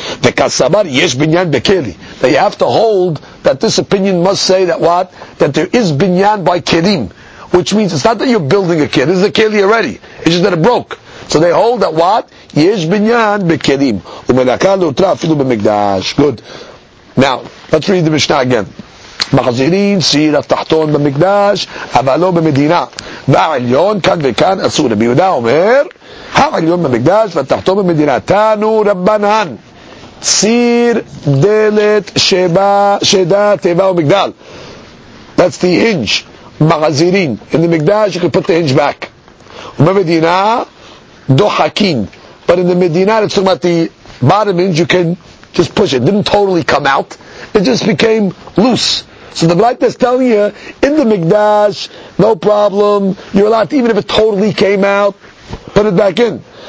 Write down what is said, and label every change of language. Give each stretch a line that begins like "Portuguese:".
English: The kasabar yesh binyan bekeli. They have to hold that this opinion must say that what? That there is binyan by kelim. Which means it's not that you're building a keli. This is a keli already. It's just that it broke. So they hold that what? Yesh binyan bekelim.
Hebrew: Umelaka lutra afilu b'mikdash.
English: Good. Now, let's read the Mishnah again.
Hebrew: מחזירים סיר התחתון במקדש, אבל לא במדינה. והעליון כאן וכאן אסור. ביהודה אומר, העליון במקדש והתחתון במדינה. תנו רבנן, סיר דלת שבה, שדה, טבע ומגדל.
English: That's the hinge. מחזירים. In the מקדש, you can put the hinge back.
Hebrew: ובמדינה, דוחקים.
English: But in the מדינה, it's talking about the bottom hinge, you can just push it. It didn't totally come out. It just became loose. So the Brayta is telling you, in the Mikdash, no problem, you're allowed to, even if it totally came out, put it back in.